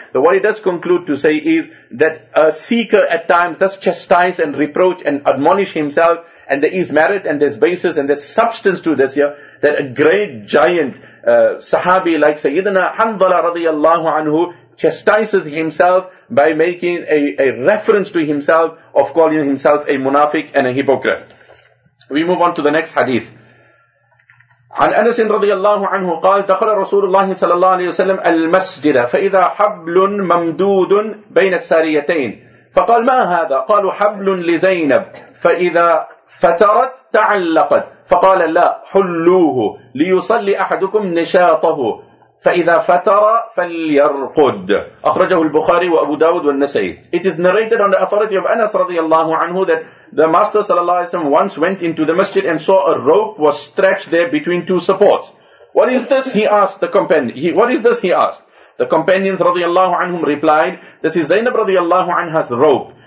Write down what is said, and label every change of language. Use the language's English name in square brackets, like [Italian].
[English] But what he does conclude to say is that a seeker at times does chastise and reproach and admonish himself, and there is merit and there's basis and there's substance to this here, that a great giant sahabi like Sayyidina Hanzala radiallahu anhu chastises himself by making a reference to himself of calling himself a munafiq and a hypocrite. We move on to the next hadith. [Arabic] عن أنس رضي الله عنه قال دخل رسول الله صلى الله عليه وسلم المسجد فإذا حبل ممدود بين الساريتين فقال ما هذا؟ قالوا حبل لزينب فإذا فترت تعلقت فقال لا حلوه ليصلي أحدكم نشاطه فإذا فتر فليرقد. أخرجه البخاري وأبو داود والنسائي. [English] It is narrated on the authority of Anas رضي الله عنه that the Master صلى الله عليه وسلم once went into the masjid and saw a rope was stretched there between two supports. What is this? He asked the companion. The companions رضي الله عنهم replied, this is Zainab رضي الله عنها's rope.